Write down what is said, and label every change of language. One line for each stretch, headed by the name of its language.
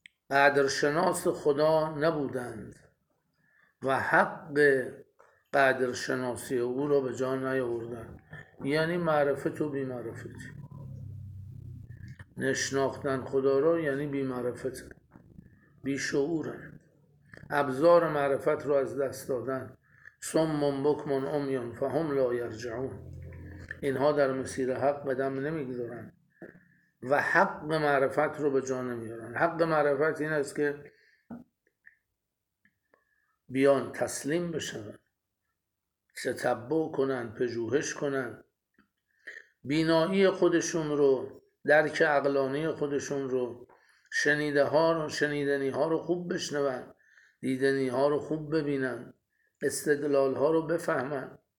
Persian: قدرشناس خدا نبودند و حق قدرشناسی او را به جا نیاوردند. یعنی معرفت و بی‌معرفتی. نشناختن خدا را یعنی بی‌معرفت، بی‌شعورند. ابزار معرفت را از دست دادند.
Arabic: صمم بکم عمی فهم لا یرجعون.
Persian: اینها در مسیر حق قدم نمیگذارن و حق معرفت رو به جا نمیارن. حق معرفت این است که بیان تسلیم بشن، تتبع کنن، پژوهش کنن، بینایی خودشون رو، درک عقلانی خودشون رو، شنیدنی ها رو خوب بشنون، دیدنی ها رو خوب ببینن، استدلال ها رو بفهمن.